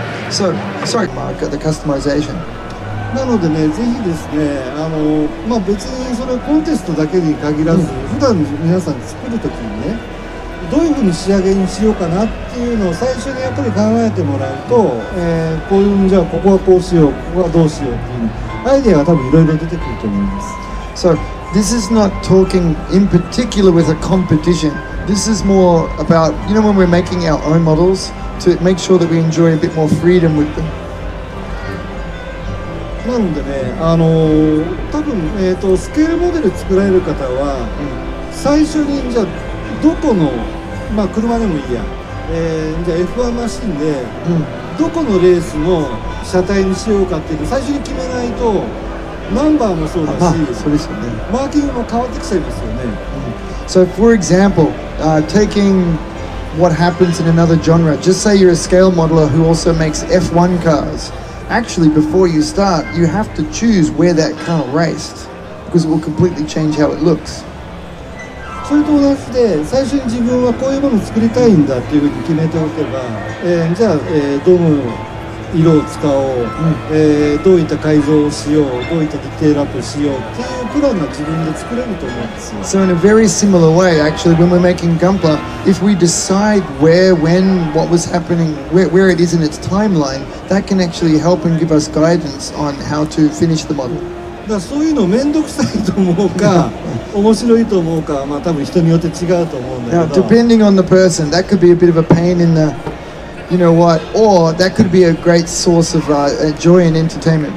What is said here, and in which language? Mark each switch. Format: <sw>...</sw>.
<en>So, sorry, Mark, the customization.</en> <ja>なのでね、ぜひですね、まあ、別にそれコンテストだけに限らず、普段皆さん作るときにね、どういうふうに仕上げにしようかなっていうのを最初にやっぱり考えてもらうと、こういうじゃあここはこうしよう、ここはどうしようっていうアイデアが多分いろいろ出てくると思います。</ja> <en>So this is not talking in particular with a competition. This is more about, you know, when we're making our own models to make sure that we enjoy a bit more freedom with them.</en> <ja>なんでね、多分、スケールモデル作られる方は、最初にじゃあどこの、まあ、車でもいいや、じゃあ F1 マシンで、どこのレースの車体にしようかっていうのを最初に決めないと、ナンバーもそうだし、そうですよね、マーキングも変わってきちゃいますよね。</ja> <en>So for example, taking what happens in another genre, just say you're a scale modeler who also makes F1 cars. Actually, before you start, you have to choose where that car raced because it will completely change how it looks.</en> <ja>それと同じで、最初に自分はこういうものを作りたいんだっていうふうに決めておけば、じゃあ、どの色を使おう、どういった改造をしよう、どういったディテールアップをしようっていうプランが自分で作れると思うんですよ。</ja> <en>So in a very similar way, actually, when we're making Gunpla, if we decide where, when, what was happening, where it is in its timeline, that can actually help and give us guidance on how to finish the model.</en> <ja>だからそういうの面倒くさいと思うか、面白いと思うか、まあ多分人によって違うと思うんだけど。</ja> <en>Now, depending on the person, that could be a bit of a pain in the... You know what? Or that could be a great source of joy and entertainment.</en>